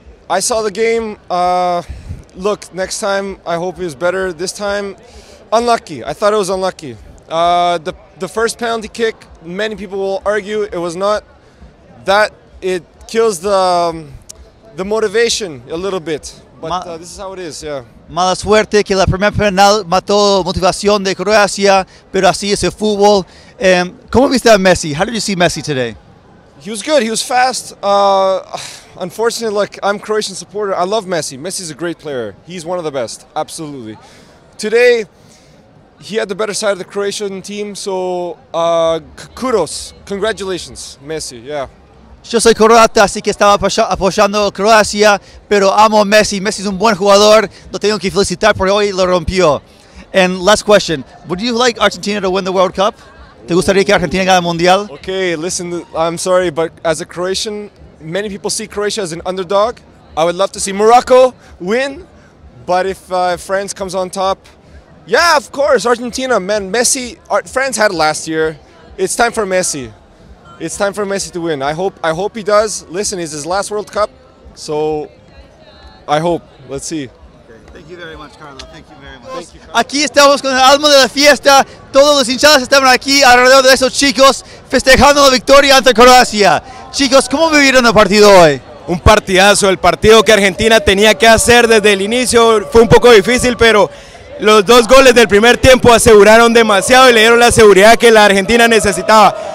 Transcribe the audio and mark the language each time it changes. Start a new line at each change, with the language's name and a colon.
English: I saw the game. Look, next time, I hope it was better. This time, unlucky. I thought it was unlucky. The first penalty kick, many people will argue it was not. That, it kills the motivation a little bit. But this is how it is, yeah.
Spanish: Mala suerte que la primera penal mató motivación de Croacia, pero así es el fútbol. ¿Cómo viste a Messi?
English: How did you see Messi today? He was good. He was fast. Unfortunately, like, I'm a Croatian supporter. I love Messi. Messi's a great player. He's one of the best. Absolutely. Today, he had the better side of the Croatian team. So, kudos. Congratulations, Messi. Yeah.
Spanish: Yo soy croata, así que estaba apoyando a Croacia, pero amo a Messi. Messi es un buen jugador. Lo tengo que felicitar por hoy. Lo rompió.
English: And last question. Would you like Argentina to win the World Cup?
Spanish: ¿Te gustaría que Argentina gane el Mundial?
English: Okay, listen, I'm sorry, but as a Croatian, many people see Croatia as an underdog. I would love to see Morocco win, but if France comes on top, yeah, of course, Argentina, man, Messi, France had it last year. It's time for Messi. It's time for Messi to win. I hope he does. Listen, it's his last World Cup, so I hope. Let's see. Thank you very much, Carlo. Thank you very much.
Spanish: Aquí estamos con el alma de la fiesta. Todos los hinchadas estaban aquí alrededor de esos chicos festejando la victoria ante Croacia. Chicos, ¿cómo vivieron el partido hoy? Un partidazo. El partido que Argentina tenía que hacer desde el inicio fue un poco difícil, pero los dos goles del primer tiempo aseguraron demasiado y le dieron la seguridad que la Argentina necesitaba.